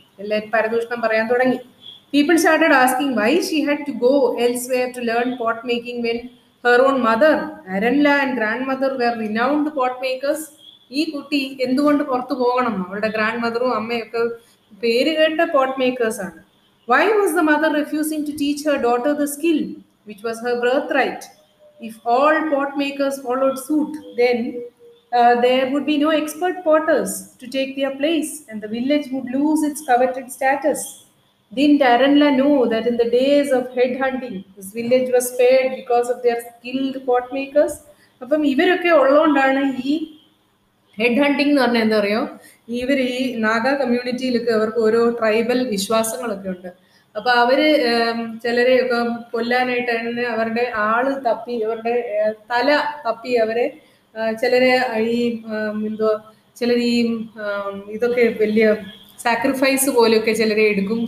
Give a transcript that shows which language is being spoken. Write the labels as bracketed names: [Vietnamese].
[Malayalam] എല്ലാവരും പരദൂഷണം പറയാൻ തുടങ്ങി. [English] People started asking why she had to go elsewhere to learn pot making when her own mother Aranla and grandmother were renowned pot makers. [Malayalam] ഈ കുട്ടി എന്തുകൊണ്ട് പുറത്തു പോകണം? അവരുടെ ഗ്രാൻഡ് മദറും അമ്മയൊക്കെ പേര് കേട്ട പോട്ട് മേക്കേഴ്സ് ആണ്. [English] Why was the mother refusing to teach her daughter the skill which was her birthright? If all pot makers followed suit, then there would be no expert potters to take their place and the village would lose its coveted status. Didn't Aranla know that in the days of head hunting, this village was spared because of their skilled pot makers? [Malayalam] അപ്പം ഇവരൊക്കെ ഉള്ളതുകൊണ്ടാണ് ഈ head hunting എന്ന് പറഞ്ഞാൽ എന്താ പറയുക, ഇവർ ഈ നാഗ കമ്മ്യൂണിറ്റിയിലൊക്കെ അവർക്ക് ഓരോ ട്രൈബൽ വിശ്വാസങ്ങളൊക്കെ ഉണ്ട്. അപ്പൊ അവര് ചിലരെയൊക്കെ കൊല്ലാനായിട്ട് തന്നെ അവരുടെ ആള് തപ്പി അവരുടെ തല തപ്പി അവരെ ചിലരെ ഈ എന്തോ ചിലർ ഈ ഇതൊക്കെ വലിയ സാക്രിഫൈസ് പോലെയൊക്കെ ചിലരെ എടുക്കും.